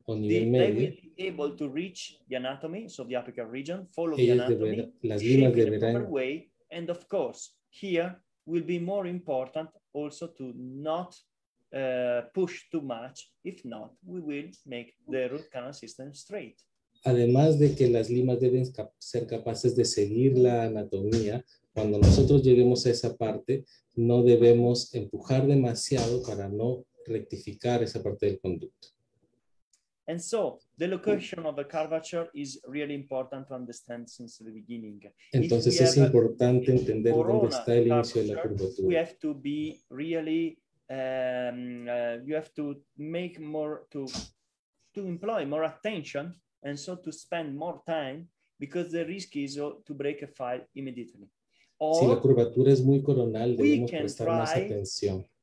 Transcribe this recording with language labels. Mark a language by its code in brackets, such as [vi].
[en] they will be able to reach the anatomy, so the apical region, follow the anatomy, shape in a proper way, and of course, here will be more important also to not push too much. If not, we will make the root canal system straight. [es] Además de que las limas deben ser capaces de seguir la anatomía, cuando nosotros lleguemos a esa parte, no debemos empujar demasiado para no rectificar esa parte del conducto. [en] And so, the location of the curvature is really important to understand since the beginning. [es] Entonces es importante entender dónde está el inicio de la curvatura. [en] We have to be really, you have to make more, to employ more attention, and so to spend more time, because the risk is to break a file immediately. Or, [es] si la curvatura es muy coronal, debemos prestar más atención.